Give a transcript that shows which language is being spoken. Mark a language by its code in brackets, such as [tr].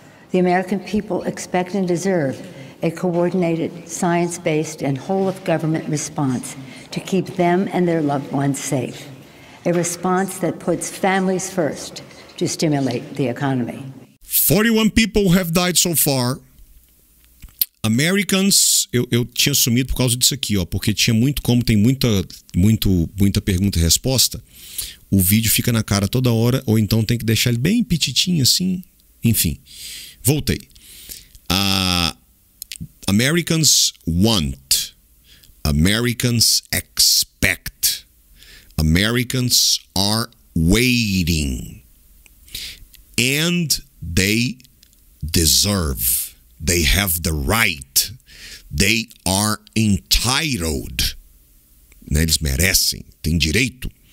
[en] The American people expect and deserve a coordinated, science-based and whole-of-government response to keep them and their loved ones safe, a response that puts families first to stimulate the economy. 41 people have died so far. [pt] Americans, eu tinha sumido por causa disso aqui, ó, porque tinha muito, como tem muita pergunta e resposta, o vídeo fica na cara toda hora, ou então tem que deixar ele bem pititinho assim, enfim, voltei. [en] Americans want, Americans expect, Americans are waiting, and they deserve. They have the right. They are entitled. [pt] Né? Eles merecem. Tem direito.